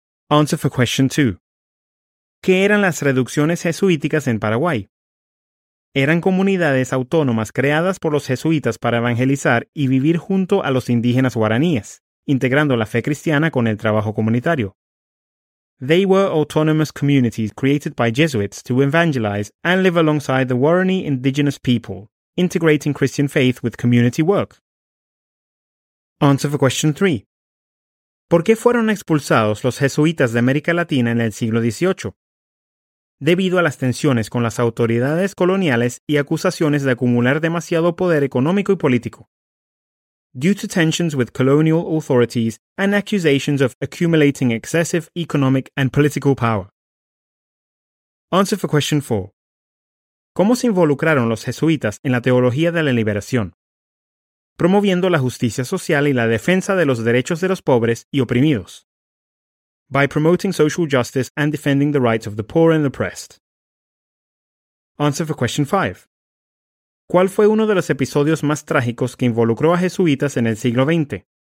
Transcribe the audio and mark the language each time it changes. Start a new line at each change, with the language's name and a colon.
English: Answer for question 2.
Spanish: ¿Qué eran las reducciones jesuíticas en Paraguay? Eran comunidades autónomas creadas por los jesuitas para evangelizar y vivir junto a los indígenas guaraníes, integrando la fe cristiana con el trabajo comunitario.
English: They were autonomous communities created by Jesuits to evangelize and live alongside the Guarani indigenous people, integrating Christian faith with community work. Answer for question 3.
Spanish: ¿Por qué fueron expulsados los jesuitas de América Latina en el siglo XVIII? Debido a las tensiones con las autoridades coloniales y acusaciones de acumular demasiado poder económico y político.
English: Due to tensions with colonial authorities and accusations of accumulating excessive economic and political power. Answer for question 4.
Spanish: ¿Cómo se involucraron los jesuitas en la teología de la liberación? Promoviendo la justicia social y la defensa de los derechos de los pobres y oprimidos.
English: By promoting social justice and defending the rights of the poor and oppressed. Answer for question 5.
Spanish: ¿Cuál fue uno de los episodios más trágicos que involucró a jesuitas en el siglo XX?